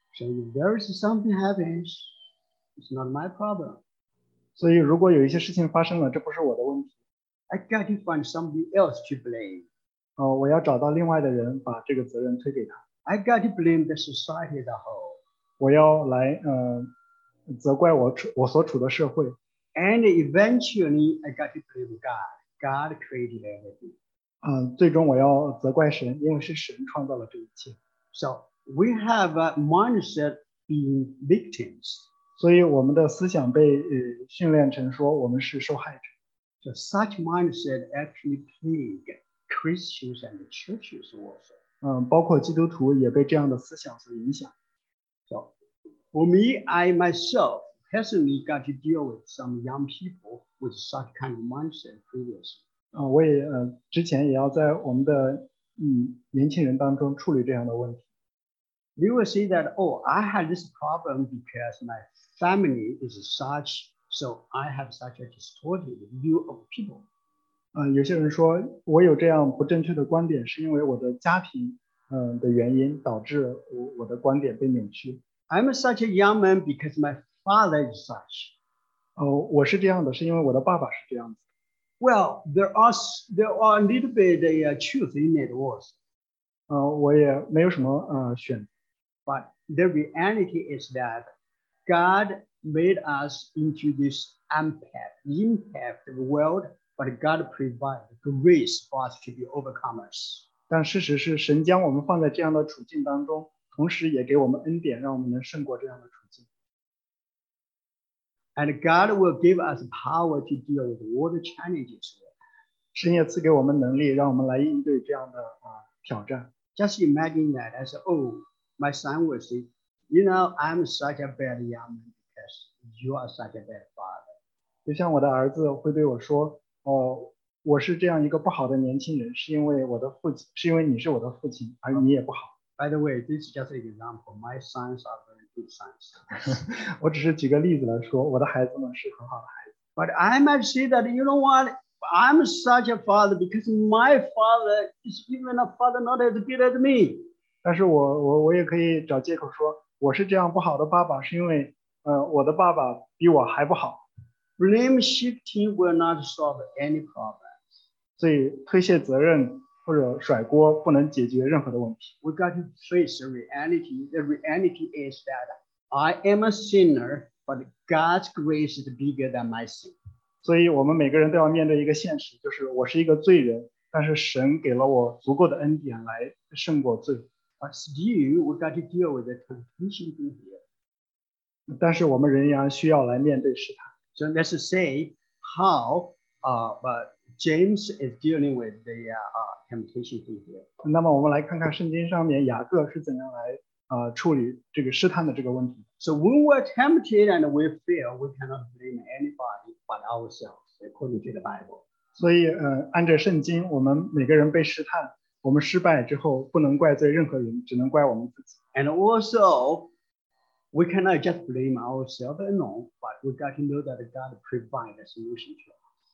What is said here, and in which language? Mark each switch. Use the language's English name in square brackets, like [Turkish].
[English] So if there is something happens, it's not my problem. [Chinese] 所以如果有一些事情发生了，这不是我的问题。 [English] I got to find somebody else to blame. [Chinese] 我要找到另外的人，把这个责任推给他。 [English] I got to blame the society as a whole. [Chinese] 我要来责怪我所处的社会。 [English] And eventually, I got to blame God. God created everything. [Chinese] 最终我要责怪神，因为是神创造了这一切。 [English] So we have a mindset being victims. [Chinese] 所以我们的思想被训练成说我们是受害者。 [English] So such mindset actually plagues Christians and churches also. [Chinese] 包括基督徒也被这样的思想所影响。 [English] So for me, I myself. Personally, got to deal with some young people with such kind of mindset previously. [Chinese] 我也之前也要在我们的年轻人当中处理这样的问题。 [English] You will see that, I had this problem because my family is such, so I have such a distorted view of people. [Chinese] 有些人说我有这样不正确的观点是因为我的家庭的原因导致我的观点被扭曲。 [English] I'm such a young man because my father is such. [Chinese] 我是这样的，是因为我的爸爸是这样子。 [English] Well, there are a little bit of truth in it was. [Chinese] 我也没有什么选择。 [English] But the reality is that God made us into this imperfect world, but God provided grace for us to be overcomers. [Chinese] 但事实是，神将我们放在这样的处境当中，同时也给我们恩典，让我们能胜过这样的处境。 [English] And God will give us power to deal with world challenges. [Chinese] 神也赐给我们能力，让我们来应对这样的挑战。 [English] Just imagine that. I said, my son will say, you know, I'm such a bad young man because you are such a bad father. [Chinese] 就像我的儿子会对我说，我是这样一个不好的年轻人，是因为我的父亲，是因为你是我的父亲，而你也不好。 [English] By the way, this is just an example. My sons are very good sons. [Chinese] 我只是举个例子来说，我的孩子们是很好的孩子。 [English] But I might say that, you know what? I'm such a father because my father is even a father not as good as me. [Chinese] 但是我也可以找借口说，我是这样不好的爸爸，是因为我的爸爸比我还不好。 [English] Blame shifting will not solve any problems. [Chinese] 所以推卸责任或者甩锅不能解决任何的问题。 [English] We got to face the reality. The reality is that I am a sinner, but God's grace is bigger than my sin. [Chinese] 所以我们每个人都要面对一个现实，就是我是一个罪人，但是神给了我足够的恩典来胜过罪。 [English] But still, we got to deal with the temptation in here. [Chinese] 但是我们仍然需要来面对试探。 [English] So let's say how, James is dealing with the temptation here. [Chinese] 那么我们来看看圣经上面雅各是怎样来处理这个试探的这个问题。 [English] So when we're tempted and we fail, we cannot blame anybody but ourselves, according to the Bible. [Chinese] 所以按照圣经，我们每个人被试探，我们失败之后不能怪罪任何人，只能怪我们自己。 [English] And also, we cannot just blame ourselves alone, but we got to know that God provides a solution to us.